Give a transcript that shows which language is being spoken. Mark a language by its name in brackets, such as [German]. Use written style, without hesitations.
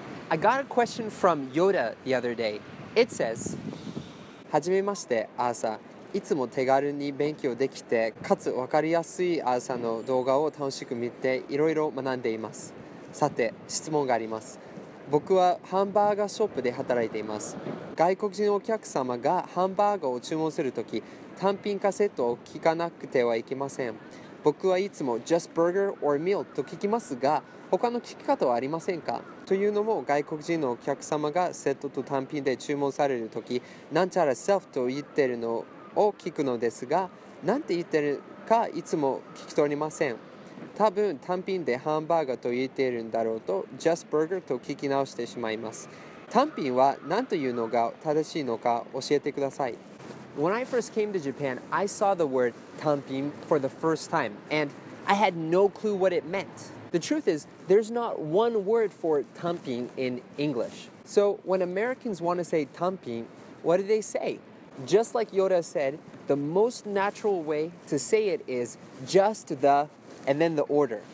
[English] I got a question from Yoda the other day. [Japanese] It says、はじめまして、アーサー。いつも手軽に勉強できて、かつ分かりやすいアーサーの動画を楽しく見て、いろいろ学んでいます。さて質問があります。僕はハンバーガーショップで働いています。外国人のお客様がハンバーガーを注文するとき、単品かセットを聞かなくてはいけません。僕はいつも Just Burger or Meal と聞きますが、他の聞き方はありませんか。というのも、外国人のお客様がセットと単品で注文されるとき、なんちゃら Self と言ってるのを聞くのですが、なんて言ってるかいつも聞き取りません。多分単品でハンバーガーと言っているんだろうと Just Burger と聞き直してしまいます。単品は何というのが正しいのか教えてください。 [English] When I first came to Japan, I saw the word 単品 for the first time, and I had no clue what it meant. The truth is, there's not one word for 単品 in English. So when Americans want to say 単品, what do they say? Just like Yoda said, the most natural way to say it is just the, and then the order.